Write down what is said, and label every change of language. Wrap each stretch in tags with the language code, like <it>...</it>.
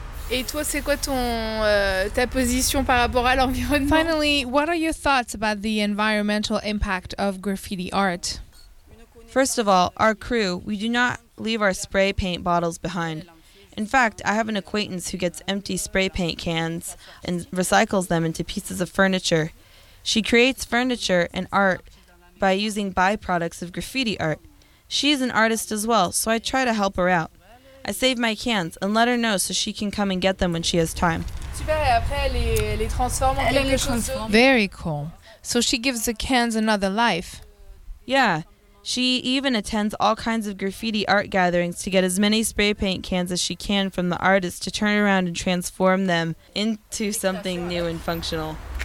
<fr>Et toi, c'est quoi ta position par rapport à l'environnement?</fr> <en>Finally, what are your thoughts about the environmental impact of graffiti art? First of all, our crew, we do not leave our spray paint bottles behind. In fact, I have an acquaintance who gets empty spray paint cans and recycles them into pieces of furniture. She creates furniture and art by using byproducts of graffiti art. She is an artist as well, so I try to help her out. I save my cans and let her know so she can come and get them when she has time.</en> <fr>Super, et après elle les transforme en quelque chose.</fr> <en>Very cool. So she gives the cans another life. Yeah, she even attends all kinds of graffiti art gatherings to get as many spray paint cans as she can from the artists to turn around and transform them into something new and functional.</en>